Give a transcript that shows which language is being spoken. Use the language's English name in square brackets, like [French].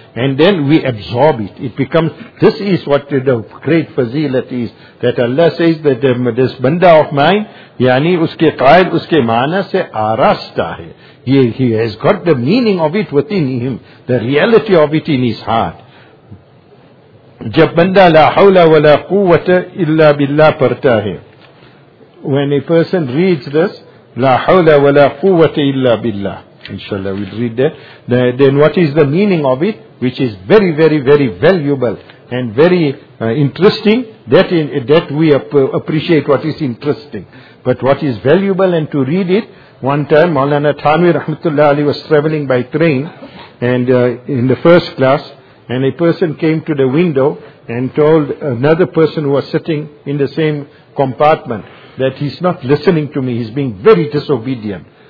[English] And then we absorb it. It becomes, this is what the great fazilat is. That Allah says that this banda of mine, [Urdu] yani uske qail, uske maana se aarasta hai. [English] He has got the meaning of it within him, the reality of it in his heart. [Urdu] جب بندہ [Arabic] لا حول ولا قوة الا باللہ [Urdu] پڑھتا ہے. [English] When a person reads this, [Arabic] لا حول ولا قوة الا باللہ. [English] Inshallah, we'll read that. Then what is the meaning of it, which is very, very, very valuable and very interesting, that we appreciate what is interesting. But what is valuable and to read it, one time, Maulana Thanvi Rahmatullah Ali was traveling by train, and in the first class, and a person came to the window and told another person who was sitting in the same compartment that he's not listening to me, he's being very disobedient.